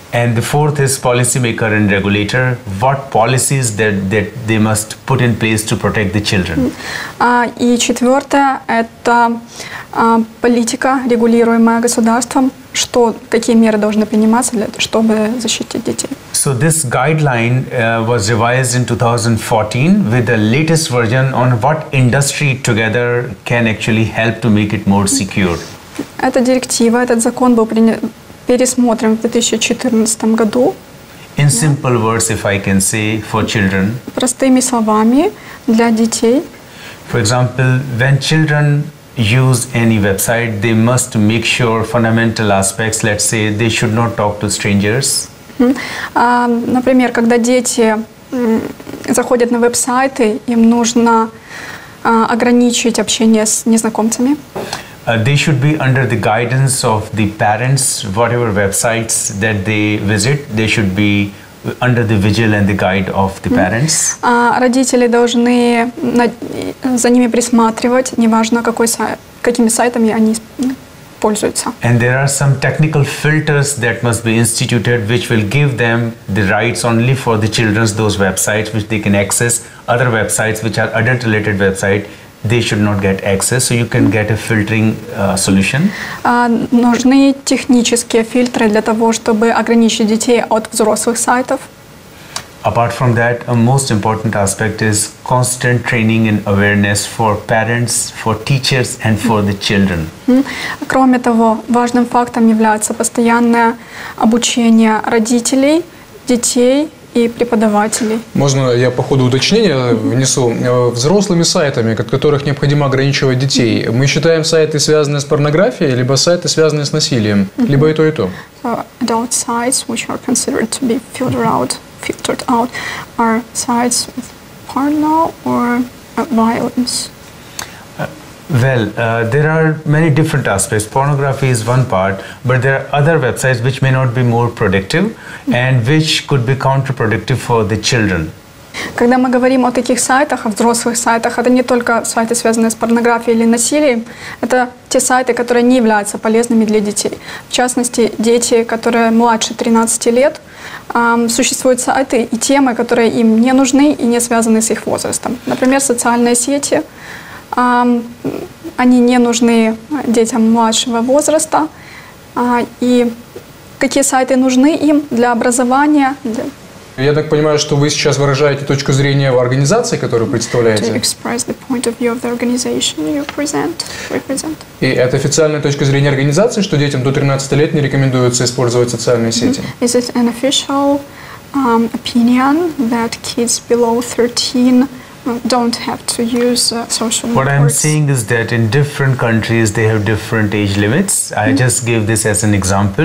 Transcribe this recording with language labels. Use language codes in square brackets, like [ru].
[en] And the fourth is policymaker and regulator. What policies that they must put in place to protect the children? [ru] И четвертое – это политика, регулируемая государством. Что, какие меры должны приниматься, чтобы защитить детей. [en] So this guideline was revised in 2014 with the latest version on what industry together can actually help to make it more secure. [ru] Эта директива, этот закон был пересмотрен в 2014 году. [en] In simple words, if I can say, for children. [ru] Простыми словами, для детей. [en] For example, when children use any website, they must make sure fundamental aspects, let's say, they should not talk to strangers. [ru] Например, когда дети заходят на веб-сайты, им нужно ограничить общение с незнакомцами. [en] They should be under the guidance of the parents, whatever websites that they visit, they should be under the vigil and the guide of the parents. [ru] Родители должны за ними присматривать, неважно какими сайтами они пользуются. [en] And there are some technical filters that must be instituted, which will give them the rights only for the children, those websites which they can access. Other websites which are adult-related websites, they should not get access, so you can get a filtering solution. [ru] Нужны технические фильтры для того, чтобы ограничить детей от взрослых сайтов. [en] Apart from that, a most important aspect is constant training and awareness for parents, for teachers, and for the children. [ru] Кроме того, важным фактом является постоянное обучение родителей, детей и преподавателей. Можно я по ходу уточнения внесу? Взрослыми сайтами, от которых необходимо ограничивать детей, мы считаем сайты, связанные с порнографией, либо сайты, связанные с насилием, либо и то, и то. [en] Adult sites, which are considered to be filtered out, are sites with porno or violence. Well, there are many different aspects. Pornography is one part, but there are other websites which may not be more productive and which could be counterproductive for the children. [ru] Когда мы говорим о таких сайтах, о взрослых сайтах, это не только сайты, связанные с порнографией или насилием, это те сайты, которые не являются полезными для детей. В частности, дети, которые младше 13 лет, существуют сайты и темы, которые им не нужны и не связаны с их возрастом. Например, социальные сети, они не нужны детям младшего возраста. И какие сайты нужны им для образования? Я так понимаю, что вы сейчас выражаете точку зрения в организации, которую представляете? [en] To express the point of view of the organization you represent. [ru] И это официальная точка зрения организации, что детям до 13 лет не рекомендуется использовать социальные сети? Mm-hmm. [en] Is it an official opinion that kids below 13 don't have to use social networks? What I'm saying is that in different countries they have different age limits. Mm-hmm. I just gave this as an example.